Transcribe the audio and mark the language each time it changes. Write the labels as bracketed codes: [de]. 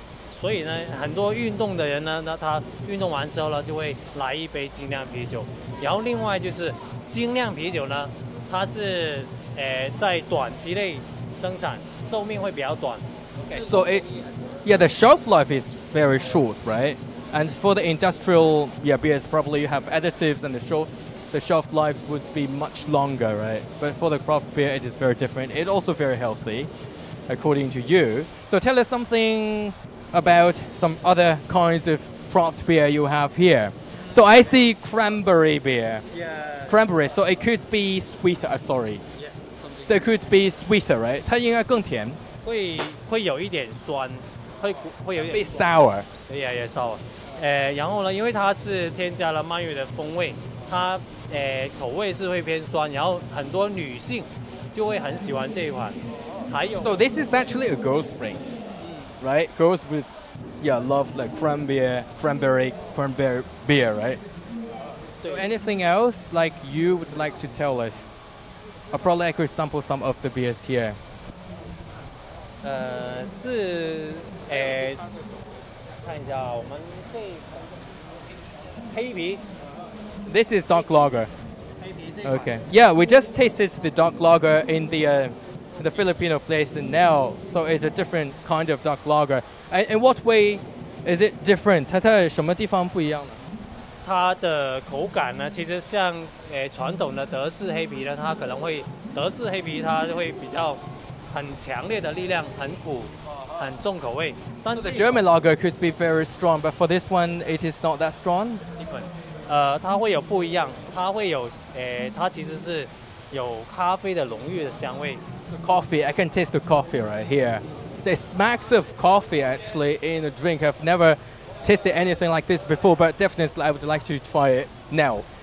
[zh] 所以呢，很多运动的人呢，那他运动完之后呢，就会来一杯精酿啤酒。然后另外就是精酿啤酒呢，它是在短期内生产，寿命会比较短。 [en] Okay. So the shelf life is very short, right? And for the industrial beers, probably you have additives and the shelf life would be much longer, right? But for the craft beer, it is very different. It's also very healthy, according to you. So tell us something. About some other kinds of craft beer you have here. So I see cranberry beer. Yeah. Cranberry, so it could be sweeter, sorry. Yeah, something. So it could be sweeter, right? [zh] 它应该更甜。会有一点酸，会有一点 [en] 酸。A bit sour. Yeah, yeah, sour. [zh] 然后呢，因为它是添加了蔓越的风味，它口味是会偏酸，然后很多女性就会很喜欢这一款。还有。 [en] So this is actually a girl's drink. Right, girls with, love like cranberry beer, right? So anything else like you would like to tell us? I probably could sample some of the beers here. [zh] 是看一下我们这黑啤。 [en] This is dark lager. [zh] 黑啤这。 [en] Okay. Yeah, we just tasted the dark lager in the Filipino place, and now, so it's a different kind of dark lager. And in what way is it different? [zh] 它在什么地方不一样呢？它的口感呢，其实像传统的德式黑啤呢，它可能会德式黑啤它会比较很强烈的力量，很苦，很重口味。但是 German lager could be very strong, but for this one, it is not that strong. 它会有不一样，它会有它其实是有咖啡的浓郁的香味。 [en] Coffee, I can taste the coffee right here. It smacks of coffee actually in a drink. I've never tasted anything like this before, but definitely I would like to try it now.